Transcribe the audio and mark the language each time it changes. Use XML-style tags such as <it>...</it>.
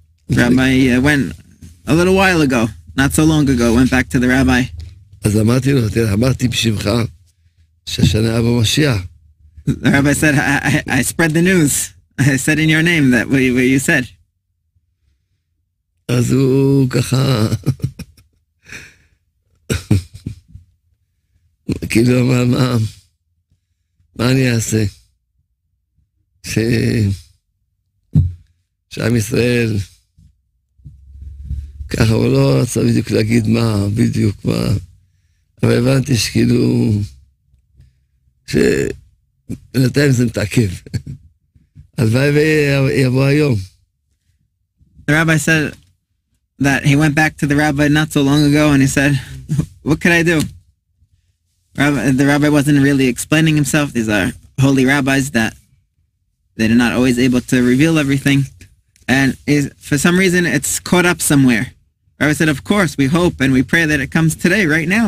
<en>Rabbi went a little while ago, not so long ago, went back to the rabbi. The rabbi said, I spread the news. I said in your name that what you said.</en> <he>אז הוא ככה כאילו מה אני אעשה שעם ישראל ככה, הוא לא רצה בדיוק להגיד מה בדיוק מה, אבל הבנתי שכאילו שנתם זה מתעכב, הלוואי ויבוא היום.</he> <en>The rabbi said that he went back to the rabbi not so long ago and he said, what could I do? The rabbi wasn't really explaining himself. These are holy rabbis that they're not always able to reveal everything. And for some reason, it's caught up somewhere. Rabbi said, of course, we hope and we pray that it comes today, right now.</en>